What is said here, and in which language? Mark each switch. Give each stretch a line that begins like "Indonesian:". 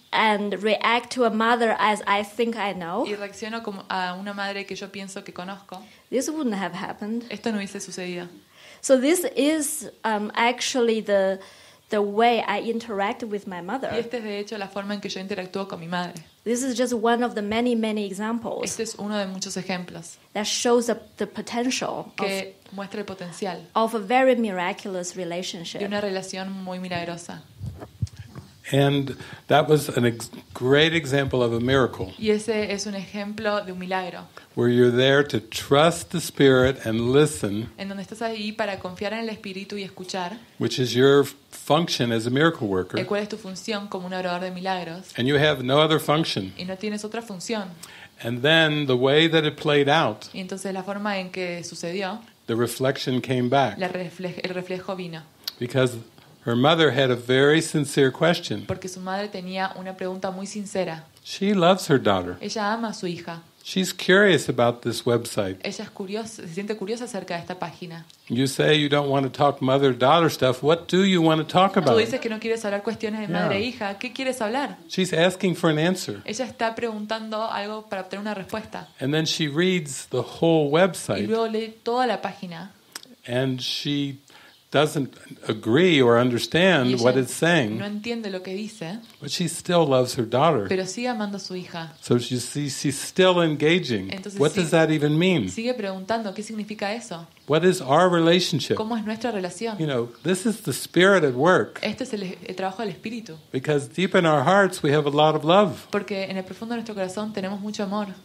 English: And react to a mother as I think I know.
Spanish: Y reacciono como a una madre que yo pienso que conozco.
English: This wouldn't have happened.
Spanish: Esto no hubiese sucedido.
English: So this is actually the way I interact with my mother.
Spanish: Y este es de hecho la forma en que yo interactúo con mi madre.
English: This is just one of the many, many examples.
Spanish: Este es uno de muchos ejemplos.
English: That shows the potential.
Spanish: Que muestra el potencial.
English: Of a very miraculous relationship.
Spanish: De una relación muy milagrosa.
English: And that was a great example of a miracle.
Spanish: Y ese es un ejemplo de un milagro.
English: Where you're there to trust the Spirit and listen.
Spanish: En donde estás ahí para confiar en el Espíritu y escuchar.
English: Which is your function as a miracle worker.
Spanish: El cual es tu función como un orador de milagros.
English: And you have no other function.
Spanish: Y no tienes otra función.
English: And then the way that it played out.
Spanish: Y entonces la forma en que sucedió.
English: The reflection came back.
Spanish: El reflejo vino.
English: Because her mother had a very sincere question.
Spanish: Porque su madre tenía una pregunta muy sincera.
English: She loves her daughter.
Spanish: Ella ama a su hija.
English: She's curious about this website.
Spanish: Ella es curiosa, se siente curiosa acerca de esta página.
English: You say you don't want to talk mother-daughter stuff. What do you want to talk about?
Spanish: Tú dices que no quieres hablar cuestiones de madre e hija. ¿Qué quieres hablar?
English: She's asking for an answer.
Spanish: Ella está preguntando algo para obtener una respuesta.
English: And then she reads the whole website.
Spanish: Y luego lee toda la página.
English: And she doesn't agree or understand what it's saying.
Spanish: No entiende lo que dice.
English: But she still loves her daughter.
Spanish: Pero sigue amando a su hija.
English: So she's still engaging.
Spanish: Entonces,
English: what does that even mean?
Spanish: Sigue preguntando, ¿qué significa eso?
English: What is our relationship?
Spanish: ¿Cómo es nuestra relación?
English: You know, this is the Spirit at work.
Spanish: Este es el trabajo del Espíritu.
English: Because deep in our hearts we have a lot of love.
Spanish: Porque en el profundo de nuestro corazón tenemos mucho amor.